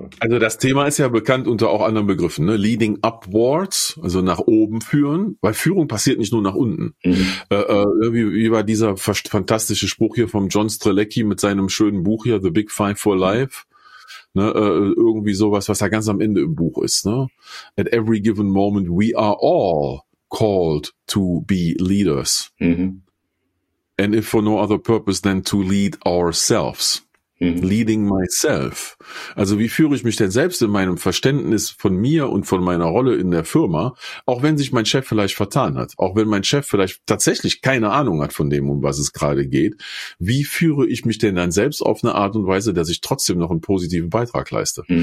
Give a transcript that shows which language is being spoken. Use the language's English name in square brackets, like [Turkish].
[German] Also das Thema ist ja bekannt unter auch anderen Begriffen, ne? [English] Leading upwards, [German] also nach oben führen, weil Führung passiert nicht nur nach unten. Wie war dieser fantastische Spruch hier vom John Strelecki mit seinem schönen Buch hier, The Big Five for Life? Ne, irgendwie sowas, was da ganz am Ende im Buch ist. Ne? [English] At every given moment we are all called to be leaders. And if for no other purpose than to lead ourselves, leading myself. [German] Also wie führe ich mich denn selbst in meinem Verständnis von mir und von meiner Rolle in der Firma, auch wenn sich mein Chef vielleicht vertan hat, auch wenn mein Chef vielleicht tatsächlich keine Ahnung hat von dem, um was es gerade geht, wie führe ich mich denn dann selbst auf eine Art und Weise, dass ich trotzdem noch einen positiven Beitrag leiste?